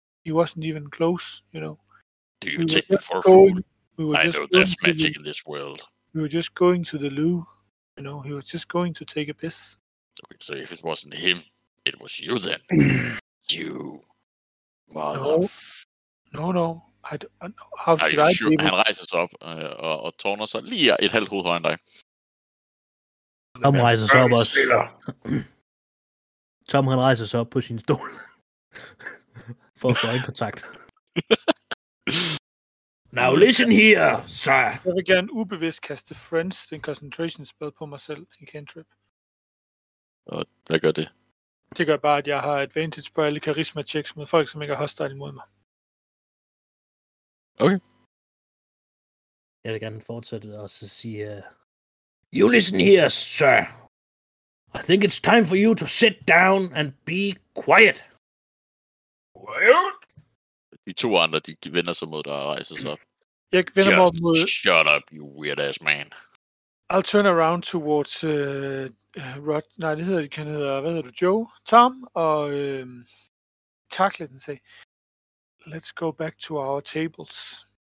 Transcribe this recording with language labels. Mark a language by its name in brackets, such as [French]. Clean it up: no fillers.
[English] He wasn't even close, you know. Do you take it for a fool? We were just, I know there's magic in this world. We were just going to the loo. You know, he was just going to take a piss. Okay, so if it wasn't him, it was you then. You. No. [Danish] Han rejser sig op og tårner sig lige et halvt hoved højere end dig. Tom rejser sig op også. Tom, han rejser sig op på sin stol. For at få øjenkontakt. [English] Now listen here, sir. [Danish] Jeg vil gerne ubevidst kaste friends, den concentration spell på mig selv, en cantrip. Og hvad gør det? Det gør bare, at jeg har advantage på alle charisma checks med folk, som ikke er hostile imod mig. Okay. Jeg vil gerne fortsætte og så sige, [English] you listen here, sir. I think it's time for you to sit down and be quiet. Quiet? [Danish] De to andre, de vender sig mod dig og rejser sig op. Jeg vender mig mod... [English] Shut up, you weird ass man. I'll turn around towards Rod... [Danish] Nej, det hedder, kan hedder... Hvad hedder du? Joe? Tom? Og takle den, sig. [English] Let's go back to our tables.